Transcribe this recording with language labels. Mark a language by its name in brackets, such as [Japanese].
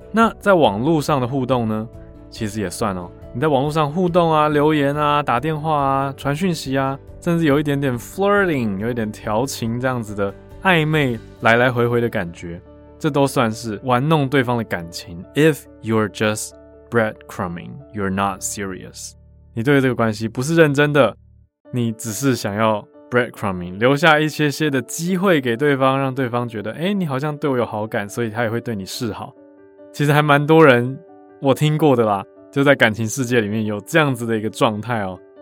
[Chinese] 那在网络上的互动呢？其实也算哦。你在网络上互动啊，留言啊，打电话啊，传讯息啊，甚至有一点点 flirting， 有一点调情这样子的暧昧，来来回回的感觉，这都算是玩弄对方的感情。 [English] If you're just breadcrumbing, you're not serious。 [Chinese] 你对这个关系不是认真的，你只是想要breadcrumbing， 留下一些些的机会给对方，让对方觉得欸，你好像对我有好感，所以他也会对你示好。其实还蛮多人我听过的啦，就在感情世界里面有这样子的一个状态哦。